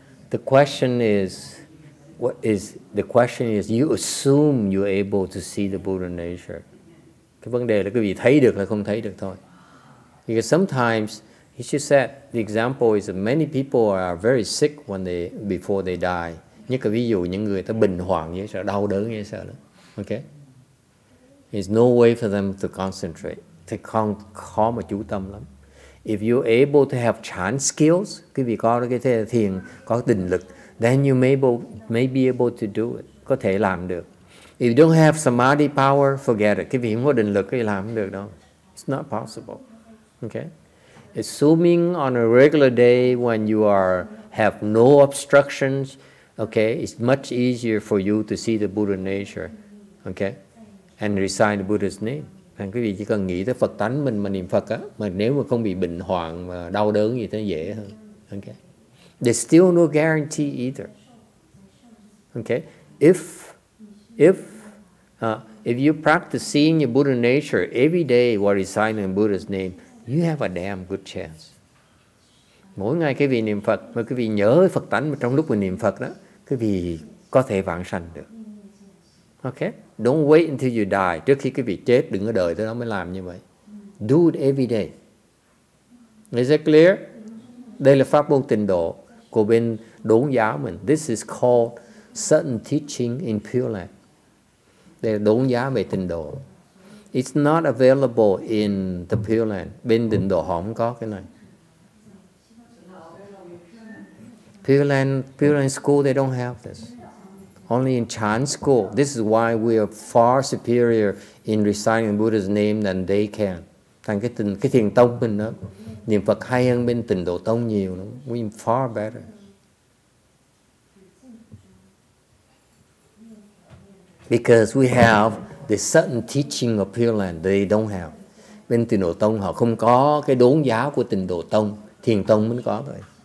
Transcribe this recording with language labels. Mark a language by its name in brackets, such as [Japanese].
[English] The question is, what is the question is, you assume you're able to see the Buddha nature. [Vietnamese] Cái vấn đề là quý vị thấy được hay không thấy được thôi. [English] Because sometimes, he just said, the example is that many people are very sick when they before they die. [Vietnamese] Như cái ví dụ những người ta bệnh hoạn như sợ đau đớn như sợ đó. [English] Okay? There's no way for them to concentrate. They can't calm a [Vietnamese] chú tâm lắm. [English] If you're able to have chant skills, [Vietnamese] quý vị có cái thiền, có định lực, [English] then you may be able to do it. [Vietnamese] Có thể làm được. [English] If you don't have samadhi power, forget it. [Vietnamese] Quý vị không có định lực, thì làm được đâu. [English] It's not possible. Okay? Assuming on a regular day when you are have no obstructions, okay, it's much easier for you to see the Buddha nature. Okay? And recite the Buddha's name. [Vietnamese] Thì quý vị chỉ cần nghĩ tới Phật tánh mình mà niệm Phật á, mà nếu mà không bị bệnh hoạn và đau đớn gì thì dễ hơn. [English] Okay. There's still no guarantee either. Okay. If you practice seeing your Buddha nature every day while reciting Buddha's name, you have a damn good chance. [Vietnamese] Mỗi ngày quý vị niệm Phật, mà quý vị nhớ Phật tánh mà trong lúc mình niệm Phật đó, quý vị có thể vãng sanh được. Okay. [English] Don't wait until you die. [Vietnamese] Trước khi quý vị chết, đừng có đợi tới đó mới làm như vậy. [English] Do it every day. Is that clear? [Vietnamese] Đây là pháp môn tịnh độ của bên Đốn giáo mình. [English] This is called certain teaching in Pure Land. [Vietnamese] Đây là Đốn giáo về tịnh độ. [English] It's not available in the Pure Land. [Vietnamese] Bên tịnh độ họ không có cái này. [English] Pure Land school, they don't have this. Only in Chan school. This is why we are far superior in reciting Buddha's name than they can. [Vietnamese] Thành cái thiền tông mình đó, niệm Phật hay hơn bên tịnh độ tông nhiều lắm. [English] We are far better. Because we have the certain teaching of Pure Land they don't have. [Vietnamese] Bên tịnh độ tông họ không có cái đốn giáo của tịnh độ tông, thiền tông mới có thôi.